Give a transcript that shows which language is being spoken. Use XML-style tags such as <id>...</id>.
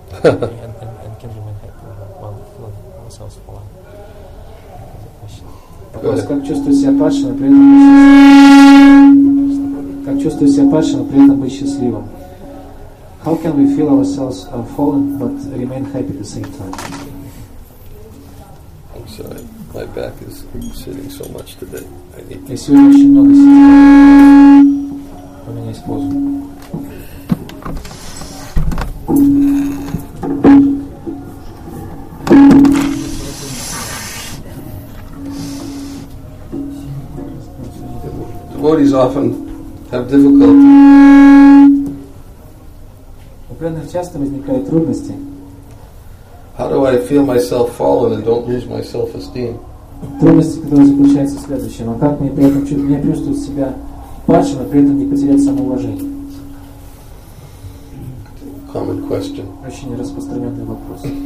<en>and can remain happy while feeling our sounds fallen. That's a question.</en> <ru>Как чувствовать себя падшим, при этом быть счастливым? Как чувствовать себя падшим, при этом быть счастливым?</ru> <en>How can we feel ourselves fallen, but remain happy at the same time? I'm sorry. My back is sitting so much today. I need to...</en> <ru>Я сегодня очень много сидел. Поменяюсь позу.</ru> <en>Devotees often have difficulty.</en> <ru>У преданных часто возникают трудности.</ru> <en>How do I feel myself fallen and don't lose my self-esteem?</en> <ru>Трудности, которые заключаются в следующем: а как мне при этом чувствовать себя падшим, а при этом не потерять самоуважение?</ru> <en>Common question.</en> <ru>Очень распространенный вопрос.</ru>